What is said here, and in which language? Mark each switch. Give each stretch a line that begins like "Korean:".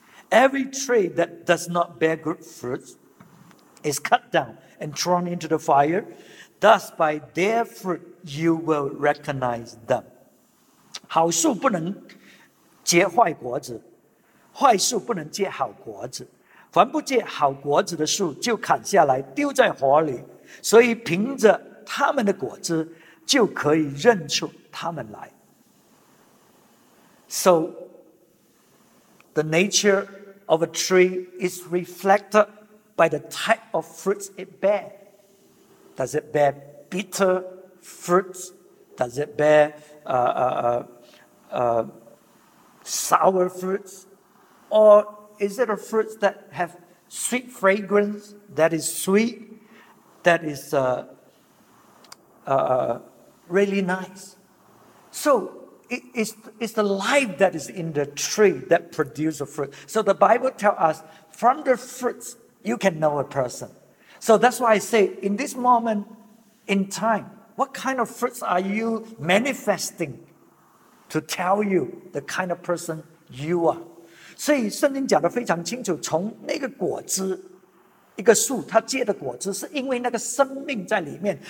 English: Every tree that does not bear good fruit is cut down and thrown into the fire. Thus, by their fruit, you will recognize them.
Chinese: 好树不能结坏果子，坏树不能结好果子。凡不结好果子的树，就砍下来丢在火里。所以凭着他们的果子，就可以认出他们来。
English: So the nature of a tree is reflected by the type of fruits it bears. Does it bear bitter fruits? Does it bear sour fruits? Or is it a fruit that has sweet fragrance, that is sweet, that is really nice? So it's the life that is in the tree that produces a fruit. So the Bible tells us, from the fruits, you can know a person. So that's why I say, in this moment in time, what kind of fruits are you manifesting to tell you the kind of person you are?
Chinese: 所以圣经讲得非常清楚，从那个果子，一个树它结的果子，是因为那个生命在里面。